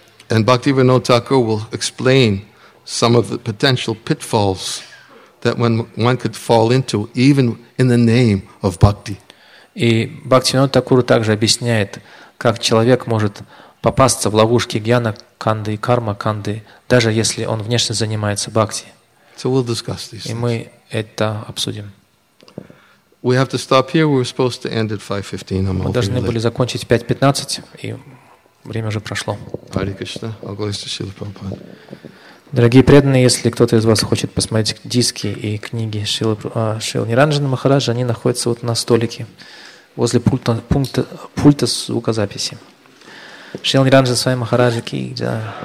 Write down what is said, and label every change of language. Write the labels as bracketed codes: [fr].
[en] And Bhaktivinoda Thakur will explain some of the potential pitfalls that one could fall into even in the name of bhakti. [ru] И Бхактивинода Такура также объясняет, как человек может попасться в ловушки Гьянаканды и Кармаканды, даже если он внешне занимается бхакти. [en] So we'll discuss these things. [ru] И мы это обсудим. [en] We have to stop here. We were supposed to end at 5:15. I'm [ru] Мы должны были закончить в 5:15, и время уже прошло. [en] Hare Krishna. All glories to Srila Prabhupada. [ru] Дорогие преданные, если кто-то из вас хочет посмотреть диски и книги Шрилы Ниранджана Махараджа, они находятся вот на столике возле пульта звукозаписи. Шрила Ниранджана Свами Махараджа Ки Джай.